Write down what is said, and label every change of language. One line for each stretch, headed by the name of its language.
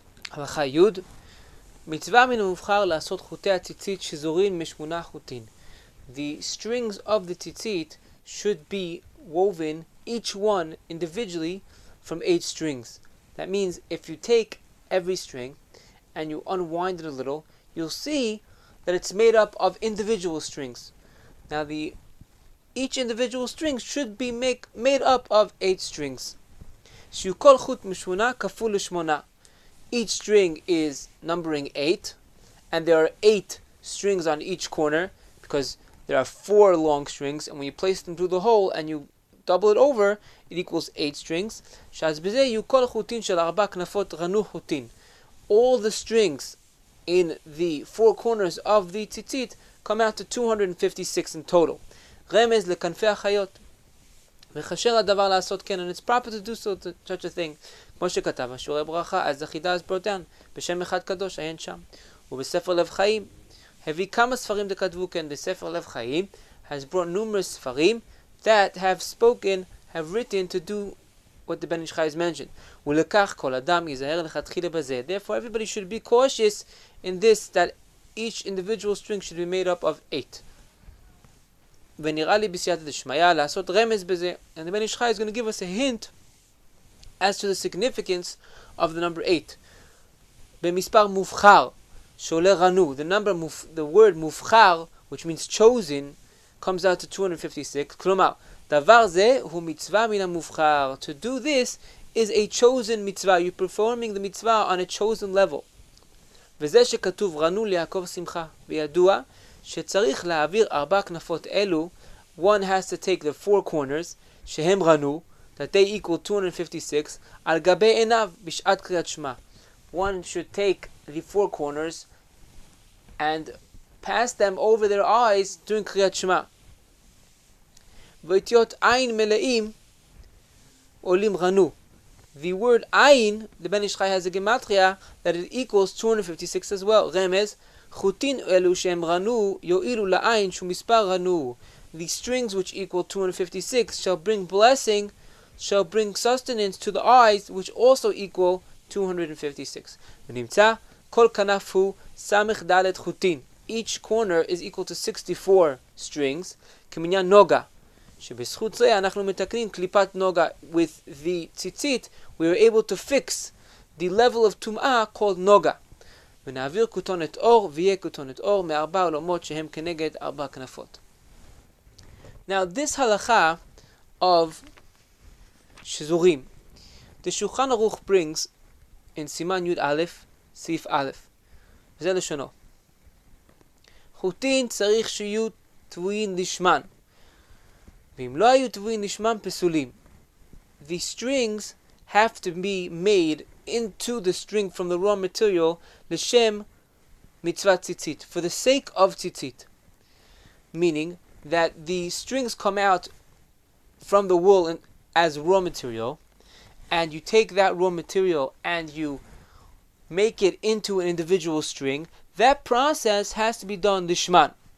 Hebrew: הלכה י' מצווה מן המובחר לעשות חוטי הציצית שזורים משמונה חוטין.
English: The strings of the tzitzit should be woven, each one individually, from eight strings. That means if you take every string and you unwind it a little, you'll see that it's made up of individual strings. Now the each individual string should be made up of eight strings.
Hebrew: שיהיו כל חוט משמונה כפול לשמונה.
English: Each string is numbering eight, and there are eight strings on each corner, because there are four long strings, and when you place them through the hole and you double it over, it equals eight strings.
Hebrew: שאז בזה יהיו כל חוטין של ארבע כנפות רנו חוטין.
English: All the strings in the four corners of the tzitzit come out to 256 in total.
Hebrew: רמז לכנפי החיות. וחשר הדבר לעשות כן,
English: and it's proper to do such a thing.
Hebrew: כמו שכתב, השורי ברכה, אז החידה אז פרוטן, בשם אחד קדוש, אין שם. ובספר לב חיים, הביא כמה ספרים דכתבו כן, בספר לב חיים,
English: has brought numerous ספרים, that have spoken, have written to do what the בן איש חי has mentioned.
Hebrew: ולכך כל אדם יזהר לכתחילה בזה.
English: Therefore, everybody should be cautious in this, that each individual string should be made up of eight.
Hebrew: ונראה לי בסייעת הדשמיה לעשות רמז בזה.
English: And the Ben Ish Chai is going to give us a hint as to the significance of the number 8.
Hebrew: במספר מובחר שעולה רנו.
English: The word מובחר, which means chosen, comes out to 256.
Hebrew: כלומר, דבר זה הוא מצווה מן המובחר.
English: To do this is a chosen mitzvah. You're performing the mitzvah on a chosen level.
Hebrew: וזה שכתוב רנו ליעקב שמחה. וידוע שצריך להעביר ארבע כנפות אלו,
English: one has to take the four corners,
Hebrew: שהם רנו,
English: that they equal 256,
Hebrew: על גבי עיניו בשעת קריאת שמה.
English: One should take the four corners and pass them over their eyes during קריאת שמה.
Hebrew: ואותיות עין מלאים עולים רנו.
English: The word עין, לבן ישחי has a gematria, that it equals 256 as well.
Hebrew: רמז, חוטין אלו שהם רנו יועילו לעין שהוא מספר רנו.
English: The strings which equal 256 shall bring blessing, shall bring sustenance to the eyes which also equal 256.
Hebrew: ונמצא כל כנף הוא סמך דלת חוטין.
English: Each corner is equal to 64 strings.
Hebrew: כמניין נוגה. שבזכות זה אנחנו מתקנים קליפת נוגה.
English: With the tzitzit we are able to fix the level of tum'ah called נוגה.
Hebrew: ונעביר כותונת אור, ויהיה כותונת אור מארבע עולמות שהם כנגד ארבע כנפות.
English: Now, this halakha of שזורים. The Shulchan Aruch brings in Siman Yud Aleph, סעיף א', וזה לשונו.
Hebrew: חוטין צריך שיהיו תבועים לשמן. ואם לא היו תבועים לשמן, פסולים.
English: The strings have to be made into the string from the raw material
Hebrew: לשם מצוות ציצית,
English: for the sake of ציצית, meaning that the strings come out from the wool as raw material, and you take that raw material and you make it into an individual string, that process has to be done לשמן.